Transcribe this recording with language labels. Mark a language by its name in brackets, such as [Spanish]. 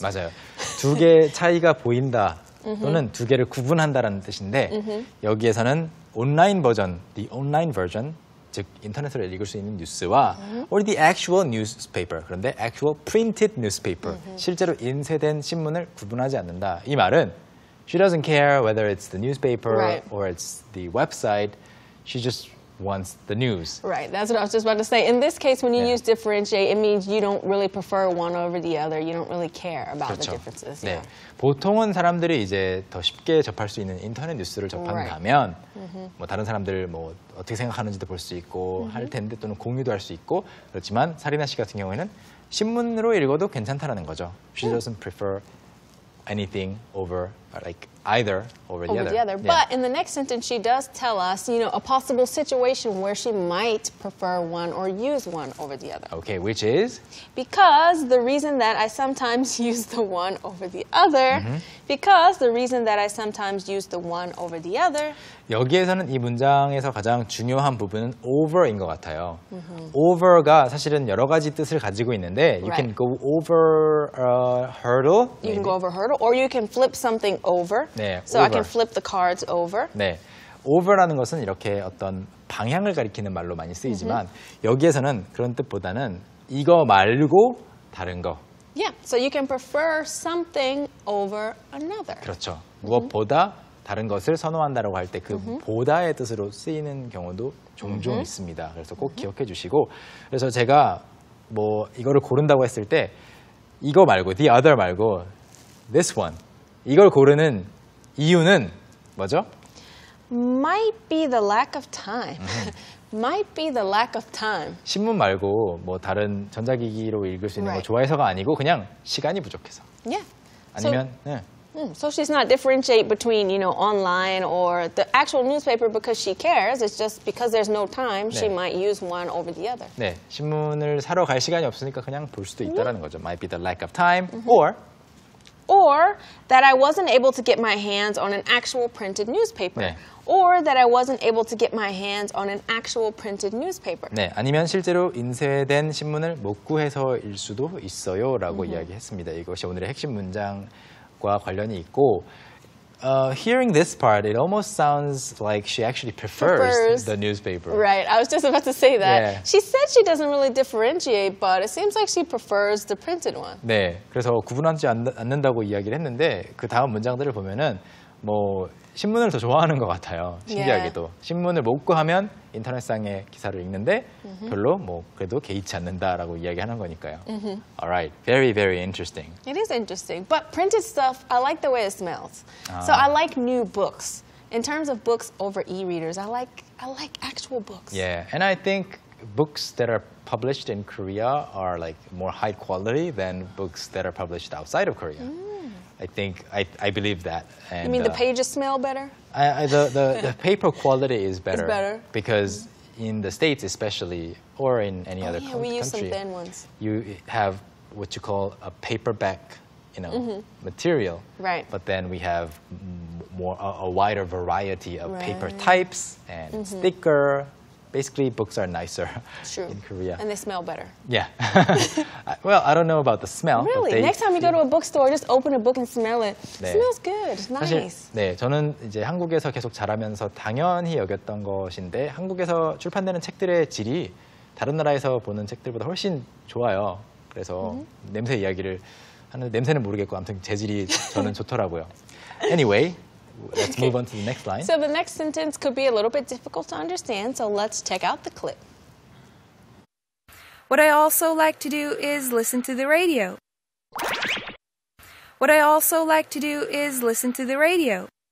[Korean] 맞아요. 두 개의 차이가 보인다 또는 두 개를 구분한다라는 뜻인데 여기에서는 온라인 버전, [English] the online version, [Korean] 즉 인터넷으로 읽을 수 있는 뉴스와 [English] or the actual newspaper, [Korean] 그런데 [English] actual printed newspaper, [Korean] 실제로 인쇄된 신문을 구분하지 않는다. 이 말은 [English] she doesn't care whether it's the newspaper or it's the website. She just wants the news. Right, that's what I was just about to say. In this case, when you use differentiate, it means you don't really prefer one over the other. You don't really care about [Korean] 그렇죠. [English] the differences. [Korean] 네. Yeah. 보통은 사람들이 이제 더 쉽게 접할 수 있는 인터넷 뉴스를 접한다면 뭐 다른 사람들 뭐 어떻게 생각하는지도 볼 수 있고 할 텐데 또는 공유도 할 수 있고 그렇지만 사리나 씨 같은 경우에는 신문으로 읽어도 괜찮다라는 거죠. [English] She doesn't prefer anything over like either over the other. The other. Yeah. But in the next sentence, she does tell us, you know, a possible situation where she might prefer one or use one over the other. Okay, which is? Because the reason that I sometimes use the one over the other. Mm-hmm. Because the reason that I sometimes use the one over the other. [Korean] 여기에서는 이 문장에서 가장 중요한 부분은 over인 것 같아요. Over가 사실은 여러 가지 뜻을 가지고 있는데 [English] you can go over a hurdle. You can go over a hurdle or you can flip something over. [Korean] 네, [English] so over. I can flip the cards over. [Korean] 네, over라는 것은 이렇게 어떤 방향을 가리키는 말로 많이 쓰이지만 여기에서는 그런 뜻보다는 이거 말고 다른 거. [English] Yeah, so you can prefer something over another. [Korean] 그렇죠. 무엇보다 다른 것을 선호한다라고 할 때 그 보다의 뜻으로 쓰이는 경우도 종종 있습니다. 그래서 꼭 기억해 주시고 그래서 제가 뭐 이거를 고른다고 했을 때 이거 말고 the other 말고 this one 이걸 고르는 이유는 뭐죠? [English] Might be the lack of time. Might be the lack of time. [Korean] 신문 말고 뭐 다른 전자기기로 읽을 수 있는 거 좋아해서가 아니고 그냥 시간이 부족해서. [English] Yeah. [Korean] 아니면 so, 네. [English] So she's not differentiate between, you know, online or the actual newspaper because she cares. It's just because there's no time, 네. she might use one over the other. [Korean] 네, 신문을 사러 갈 시간이 없으니까 그냥 볼 수도 있다라는 거죠. [English] Might be the lack of time or... Or that I wasn't able to get my hands on an actual printed newspaper. [Korean] 네. [English] Or that I wasn't able to get my hands on an actual printed newspaper. [Korean] 네, 아니면 실제로 인쇄된 신문을 못 구해서일 수도 있어요 라고 이야기했습니다. 이것이 오늘의 핵심 문장. 과 관련이 있고 [English] hearing this part it almost sounds like she actually prefers the newspaper. Right. I was just about to say that. Yeah. She said she doesn't really differentiate but it seems like she prefers the printed one. [Korean] 네. 그래서 구분하지 않는다고 이야기를 했는데 그 다음 문장들을 보면은 뭐 신문을 더 좋아하는 것 같아요. 신기하게도. [English] Yeah. [Korean] 신문을 못 구하면 인터넷상의 기사를 읽는데 별로 뭐 그래도 개의치 않는다라고 이야기하는 거니까요. [English] Alright, very, very interesting. It is interesting. But printed stuff, I like the way it smells. 아. So I like new books. In terms of books over e-readers, I like actual books. Yeah, and I think books that are published in Korea are like more high quality than books that are published outside of Korea. I believe that. And, you mean the pages smell better? The paper quality is better. It's better. Because in the States especially, or in any other country, we use some thin ones. You have what you call a paperback, you know, material. Right. But then we have a wider variety of paper types and thicker. Basically, books are nicer in Korea. And they smell better. Yeah. Well, I don't know about the smell. Really? But next time you go to a bookstore, just open a book and smell it. [Korean] 네. [English] It smells good. It's [Korean] 사실, [English] nice. [Korean] 네, 저는 이제 한국에서 계속 자라면서 당연히 여겼던 것인데 한국에서 출판되는 책들의 질이 다른 나라에서 보는 책들보다 훨씬 좋아요. 그래서 냄새 이야기를 하는데 냄새는 모르겠고 아무튼 재질이 저는 좋더라고요. [English] Anyway. Let's move on to the next line. So the next sentence could be a little bit difficult to understand, so let's check out the clip. What I also like to do is listen to the radio. What I also like to do is listen to the radio.